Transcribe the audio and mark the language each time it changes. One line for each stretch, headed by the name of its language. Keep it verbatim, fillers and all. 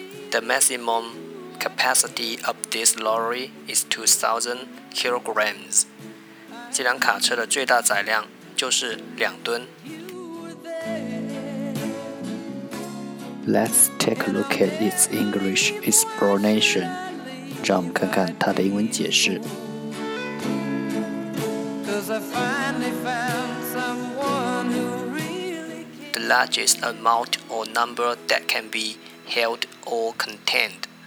English: The maximum capacity of this lorry is two thousand kilograms.
Chinese: 这辆卡车的最大载量就是两吨。
English: Let's take a look at its English explanation.
Chinese: 让我们看看它的英文解释。
English: Cause I finally found someone who The largest amount or number that can be held or contained.